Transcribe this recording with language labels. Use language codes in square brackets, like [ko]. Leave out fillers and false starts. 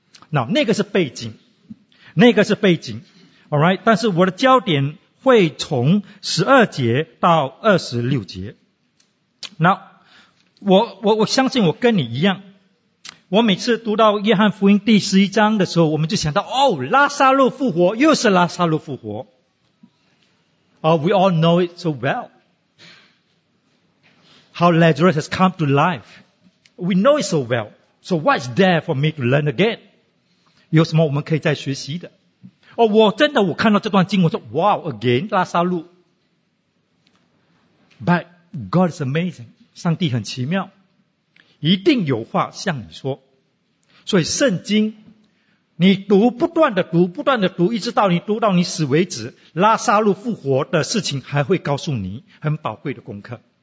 [zh] 那个是背景，那个是背景， alright， 但是我的焦点会从12节到26节。那我相信我跟你一样，我每次读到约翰福音第11章的时候，我们就想到哦，拉撒路复活，又是拉撒路复活。 [en] We all know it so well. How Lazarus has come to life. We know it so well. So what's there for me to learn again? [zh] 有什么我们可以再学习的？哦，我真的我看到这段经文说 wow, again, 拉撒路。 [en] But God is amazing. 上帝很奇妙。 [zh] 一定有话向你说，所以圣经你读，不断的读，不断的读，一直到你读到你死为止，拉撒路复活的事情还会告诉你很宝贵的功课。